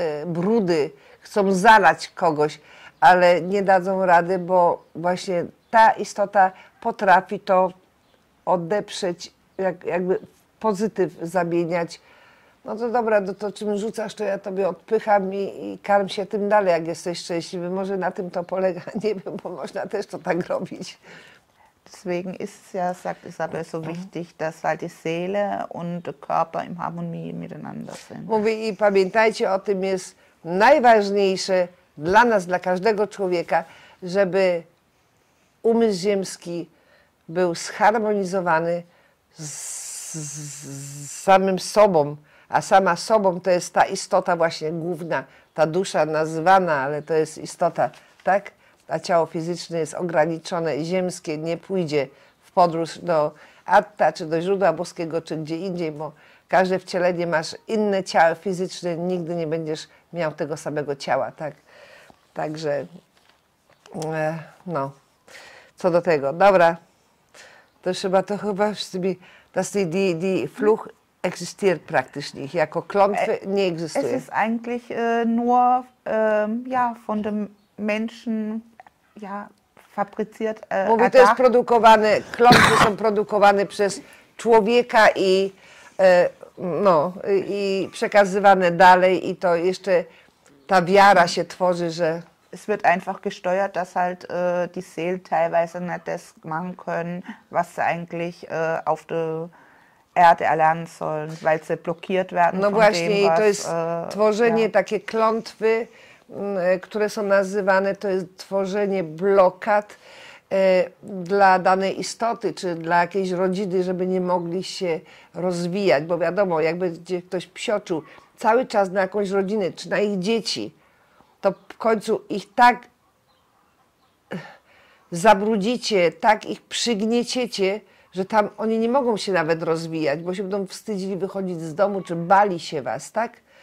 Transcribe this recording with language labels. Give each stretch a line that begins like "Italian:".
Polish: Brudy, chcą zalać kogoś, ale nie dadzą rady, bo właśnie ta istota potrafi to odeprzeć, jakby pozytyw zamieniać. No to dobra, to czym rzucasz, to ja tobie odpycham i karm się tym dalej, jak jesteś szczęśliwy. Może na tym to polega, nie wiem, bo można też to tak robić.
German: Deswegen ist es ja, sagt Isabel, so wichtig, dass halt die Seele und der Körper im Harmonie miteinander sind.
Polish: Mówi i pamiętajcie o tym, jest najważniejsze dla nas, dla każdego człowieka, żeby umysł ziemski był zharmonizowany z samym sobą. A sama sobą to jest ta istota właśnie główna, ta dusza nazwana, ale to jest istota, tak? A ciało fizyczne jest ograniczone, ziemskie, nie pójdzie w podróż do Atta, czy do źródła boskiego, czy gdzie indziej, bo każde wcielenie masz inne ciało fizyczne, nigdy nie będziesz miał tego samego ciała, tak? Także, no, co do tego. Dobra, to trzeba to chyba wszyscy,
German: das ist die Fluch, existiert praktisch nicht,
Polish: jako Klonfe nie existuje.
German: Es ist eigentlich nur ja, von dem Menschen ja, fabriziert.
Polish: Mówi, to jest produkowane, klonfe są produkowane przez człowieka i no, i przekazywane dalej i to jeszcze ta wiara się tworzy, że...
German: Es wird einfach gesteuert, dass halt die Seele teilweise nicht das machen können, was sie eigentlich auf der Erde erlernen sollen, weil sie blockiert werden.
Polish: No właśnie,
German: dem,
Polish: to jest tworzenie, ja. Takie klątwy, które są nazywane, to jest tworzenie blokad dla danej istoty, czy dla jakiejś rodziny, żeby nie mogli się rozwijać, bo wiadomo, jakby ktoś psioczył cały czas na jakąś rodzinę, czy na ich dzieci, to w końcu ich tak zabrudzicie, tak ich przygnieciecie, że tam oni nie mogą się nawet rozwijać, bo się będą wstydzili wychodzić z domu, czy bali się was, tak?